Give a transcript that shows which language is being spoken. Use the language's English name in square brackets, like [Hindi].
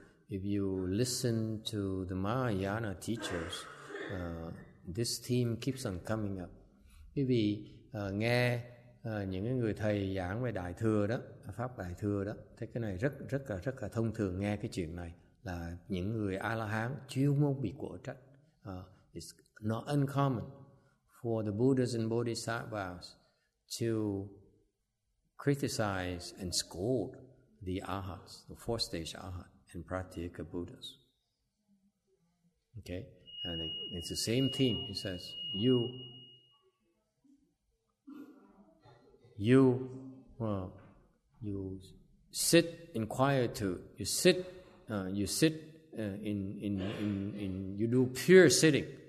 [English] If you listen to the Mahayana teachers, this theme keeps on coming up. [Vietnamese] Quý vị nghe những người thầy giảng về đại thừa đó, pháp đại thừa đó, thấy cái này rất là thông thường nghe cái chuyện này. Là những người A-la-hán chuyên môn bị quở trách. [English] It's not uncommon for the Buddhas and Bodhisattvas to criticize and scold the Arhats, the four-stage Arhat and Pratyeka Buddhas. Okay? And it's the same theme. He says, you sit in quietude, you do pure sitting.